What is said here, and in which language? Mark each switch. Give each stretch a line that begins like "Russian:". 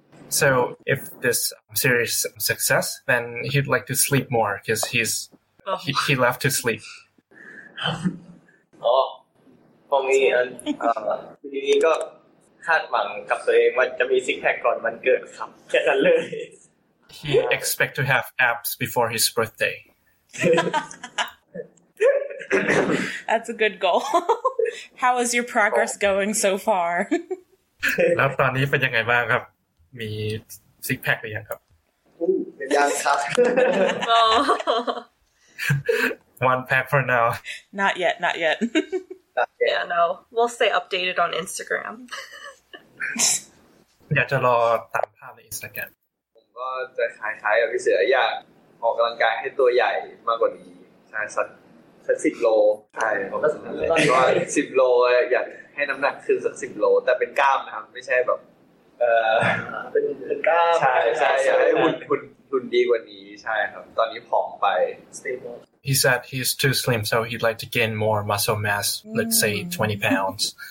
English: So if this series success, then he'd like to sleep more because he left to sleep.
Thai: อ๋อพรุ่งนี้ทีนี้ก็คาดหวังกับตัวเองว่าจะมีซิกแพคก่อนมันเกิดครับแค่นั้นเลย
English: He expect to have abs before his birthday That's a good goal How is your progress going so far
Thai: แล้วตอนนี้เป็นยังไงบ้างครับมีซิกแพคหรือยังครับ ยังครับ
English: One pack for now. Not yet, not yet. Yeah, no. We'll stay updated on Instagram.
Thai: อยากจะรอตามภาพใน Instagram. ผมก็จะคล้ายๆกับพี่เสืออยากออกกำลังกายให้ตัวใหญ่มากกว่านี้ใช่สัก10โลใช่ผมก็สำคัญเลยก็10โลอยากให้น้ำหนักขึ้นสัก10โลแต่เป็นกล้ามนะครับไม่ใช่แบบ เป็นกล้าม ใช่ใช่อยากให้หุ่นดีกว่านี้ใช่ครับตอนนี้ผอมไป
English: stableHe said he's too slim, so he'd like to gain more muscle mass, let's say 20 pounds.